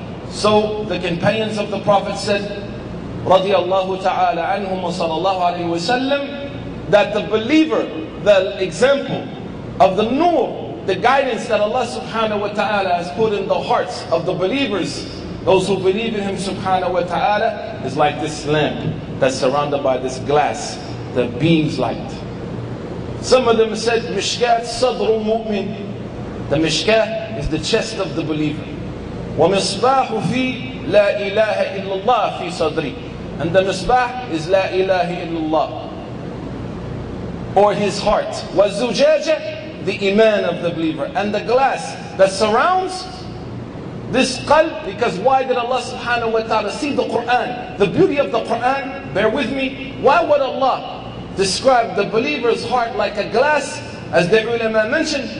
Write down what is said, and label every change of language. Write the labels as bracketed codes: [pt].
[en] So the companions of the Prophet said, [ar] رضي الله تعالى عنهم وصلى الله عليه وسلم, [en] that the believer, the example of the nur, the guidance that Allah subhanahu wa ta'ala has put in the hearts of the believers, those who believe in Him subhanahu wa ta'ala, is like this lamp that's surrounded by this glass that beams light. Some of them said, [ar] مشكات صدر المؤمن. [en] The مشكات is the chest of the believer. [ar] ومصباح في لا إله إلا الله في صدري. [en] And the misbah is La ilaha illallah, or his heart. [ar] وَالزُّجَاجَ, [en] the iman of the believer. And the glass that surrounds this qalb, because why did Allah subhanahu wa ta'ala see the Qur'an? The beauty of the Qur'an, bear with me, why would Allah describe the believer's heart like a glass, as the ulama mentioned?